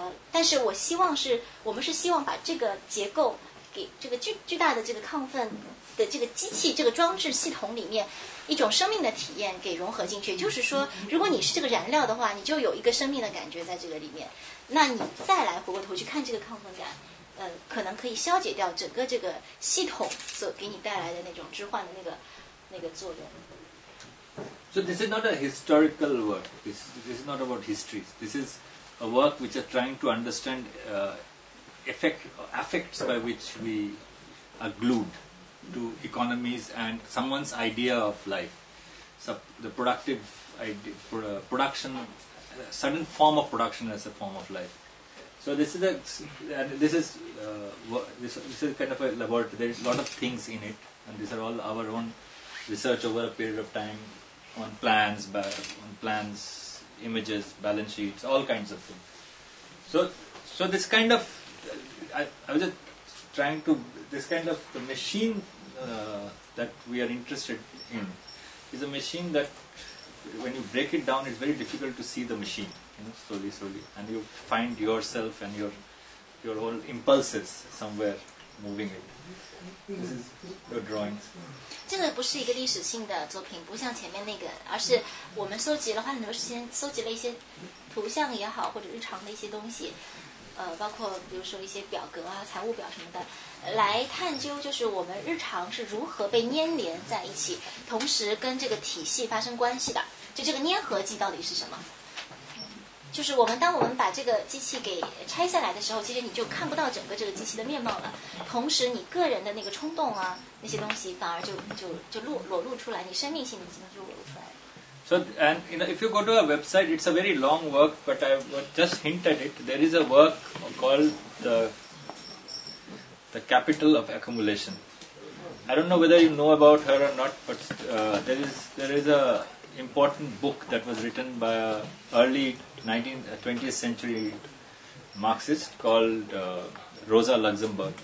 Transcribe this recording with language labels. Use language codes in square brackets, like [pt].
[zh] 但是我们是希望把这个结构给这个巨大的这个亢奋的这个机器，这个装置系统里面一种生命的体验给融合进去，就是说如果你是这个燃料的话，你就有一个生命的感觉在这个里面，那你再来回过头去看这个亢奋感，可能可以消解掉整个这个系统所给你带来的那种置换的那个作用。 [en] So this is not a historical work. This is not about history. This is a work which is trying to understand effects by which we are glued to economies and someone's idea of life. So the productive idea, production, a certain form of production as a form of life. So this is kind of a laboratory. There is a lot of things in it, and these are all our own research over a period of time. On plans, images, balance sheets, all kinds of things. So this kind of, I was just trying to, this kind of the machine that we are interested in is a machine that when you break it down, it's very difficult to see the machine, you know, slowly. And you find yourself and your whole impulses somewhere moving it. This is your drawings. [zh] 这个不是一个历史性的作品，不像前面那个，而是我们搜集了花很多时间，搜集了一些图像也好，或者日常的一些东西，包括比如说一些表格啊、财务表什么的，来探究就是我们日常是如何被粘连在一起，同时跟这个体系发生关系的，就这个粘合剂到底是什么。就是我们当我们把这个机器给拆下来的时候，其实你就看不到整个这个机器的面貌了。同时，你个人的那个冲动啊，那些东西反而就裸露出来，你生命性的东西就裸露出来。 [en] So, and you know, if you go to a website, it's a very long work, but I just hinted it. There is a work called the Capital of Accumulation. I don't know whether you know about her or not, but there is a important book that was written by an early 20th century Marxist called Rosa Luxemburg.